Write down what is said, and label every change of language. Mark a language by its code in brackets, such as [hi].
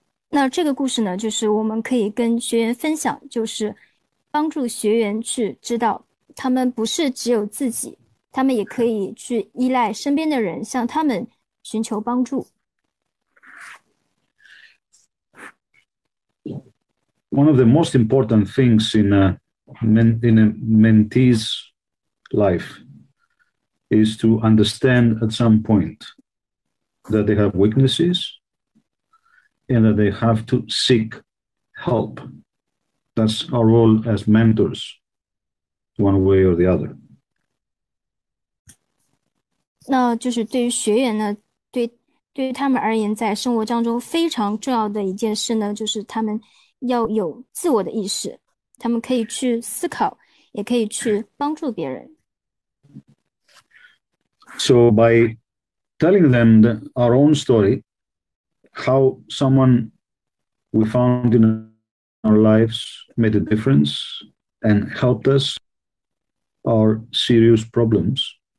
[zh] 那这个故事呢，就是我们可以跟学员分享，就是帮助学员去知道，他们不是只有自己。他们也可以去依赖身边的人，向他们寻求帮助。 [en] One of the most important things in a mentee's life is to understand at some point that they have weaknesses and that they have to seek help. That's our role as mentors, one way or the other. [zh] 那就是对于学员呢，对于他们而言，在生活当中非常重要的一件事呢，就是他们要有自我的意识，他们可以去思考，也可以去帮助别人。 [en] So by telling them our own story, how someone we found in our lives made a difference and helped us our serious problems.